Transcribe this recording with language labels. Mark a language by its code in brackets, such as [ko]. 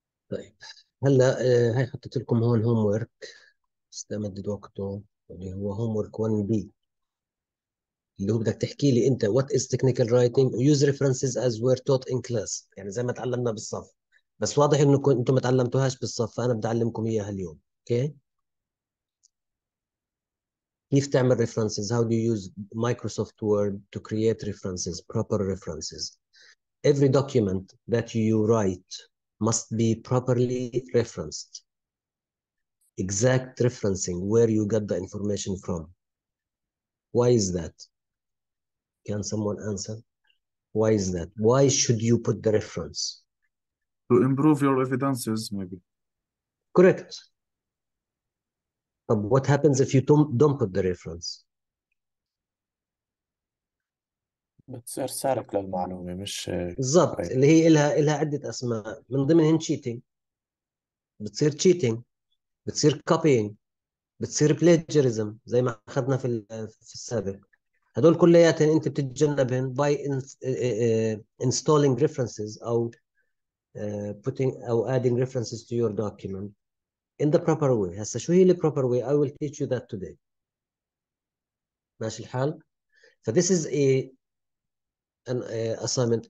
[ar] طيب هلا هاي حطيت لكم هون هوم ورك، استمدد وقته، اللي هو هوم ورك 1 بي، اللي هو بدك تحكي لي انت [en] what is technical writing, use references as were taught in class, [ar] يعني زي ما تعلمنا بالصف، بس واضح انكم انتم ما تعلمتوهاش بالصف، فانا بدي اعلمكم اياها اليوم. [en] okay, [ar] كيف تعمل [en] References? How do use Microsoft Word to create references, proper references. Every document that you write must be properly referenced. Exact referencing, where you get the information from. Why is that? Can someone answer? Why is that? Why should you put the reference? To improve your evidences, maybe. Correct. But what happens if you don't put the reference? [ar] بتصير سارق للمعلومة، مش بالضبط، [en] Right. [ar] اللي هي إلها عدة أسماء، من ضمنهم cheating. بتصير cheating، بتصير copying، بتصير plagiarism، زي ما أخذنا في السابق. هدول كلياتهم أنت بتتجنبهم [en] by installing references أو putting أو adding references to your document in the proper way. [ar] هسه شو هي [en] البروبر way? I will teach you that today. [ar] ماشي الحال؟ [en] ف this is a an assignment.